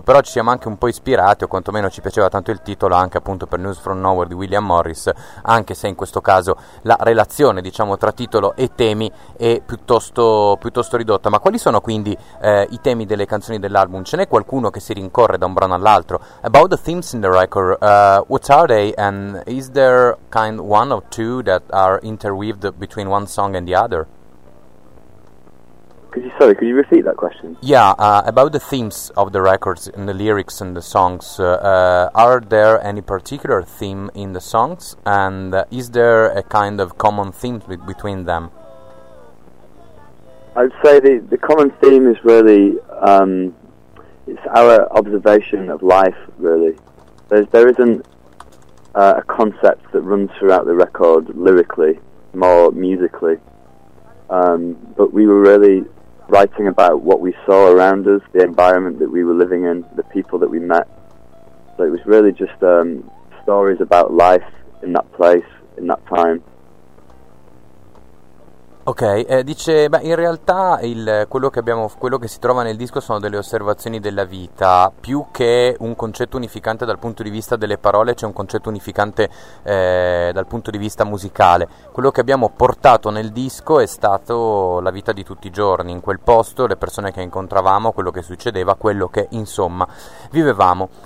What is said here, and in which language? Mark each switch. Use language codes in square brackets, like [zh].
[it] Però ci siamo anche un po' ispirati, o quantomeno ci piaceva tanto il titolo, anche appunto per News from Nowhere di William Morris, anche se in questo caso la relazione, diciamo, tra titolo e temi è piuttosto ridotta. Ma quali sono quindi i temi delle canzoni dell'album? Ce n'è qualcuno che si rincorre da un brano all'altro? [en] About the themes in the record, what are they, and is there kind one or two that are interweaved between one song and the other? Could you repeat that question? Yeah, about the themes of the records and the lyrics and the songs, are there any particular theme in the songs, and is there a kind of common theme between them? I'd say the common theme is really it's our observation of life, really. There isn't a concept that runs throughout the record lyrically, more musically. But we were really writing about what we saw around us, the environment that we were living in, the people that we met. So it was really just stories about life in that place, in that time. [it] Ok, dice, beh, in realtà quello che si trova nel disco sono delle osservazioni della vita, più che un concetto unificante dal punto di vista delle parole, c'è un concetto unificante dal punto di vista musicale. Quello che abbiamo portato nel disco è stato la vita di tutti i giorni, in quel posto, le persone che incontravamo, quello che succedeva, quello che, insomma, vivevamo.